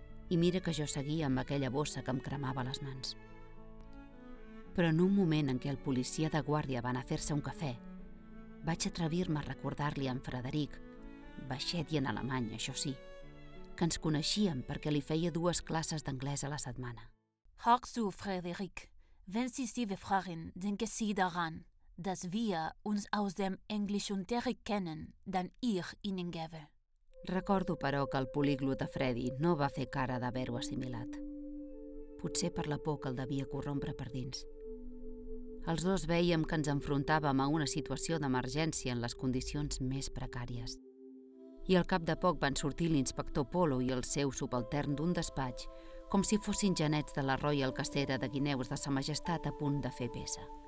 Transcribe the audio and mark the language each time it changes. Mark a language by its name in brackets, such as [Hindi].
[Catalan] I mira que jo seguia amb aquella bossa que em cremava les mans. Però en un moment en què el policia de guàrdia va anar a fer-se un cafè, vaig atrevir-me a recordar-li a en Frederic, baixet i en alemany, això sí, que ens coneixíem perquè li feia dues classes d'anglès a la setmana. [German] Hörst du, Frederic, wenn Sie sich befragen, denke Sie daran, dass wir uns aus dem Englischunterricht kennen, dann ich Ihnen gebe. [Catalan] Recordo, però, que el políglota Freddy no va fer cara d'haver-ho assimilat. Potser per la por que el devia corrompre per dins. Els dos vèiem que ens enfrontàvem a una situació d'emergència en les condicions més precàries. I al cap de poc van sortir l'inspector Polo i el seu subaltern d'un despatx, com si fossin genets de la Royal Cacera de Guineus de Sa Majestat a punt de fer peça.